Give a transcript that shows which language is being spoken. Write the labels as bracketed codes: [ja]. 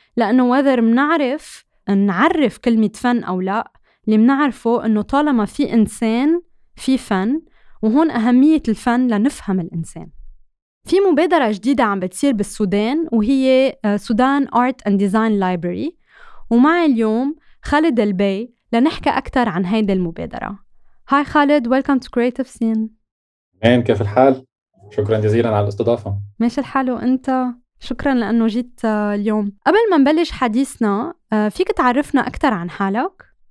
[ar] لأنه وذر منعرف نعرف كلمة فن أو لا، اللي منعرفه أنه طالما في إنسان في فن، وهون أهمية الفن لنفهم الإنسان. في مبادرة جديدة عم بتصير بالسودان وهي سودان Art and Design Library، ومعي اليوم خالد البي لنحكي أكثر عن هيدا المبادرة. هاي خالد، [en] welcome to Creative Scene. [ar] مين، كيف الحال؟ شكرا جزيلا على الاستضافة. ماشي الحال، وأنت؟ شكرا لأنه جيت اليوم. قبل ما نبلش حديثنا فيك تعرفنا أكثر عن حالك؟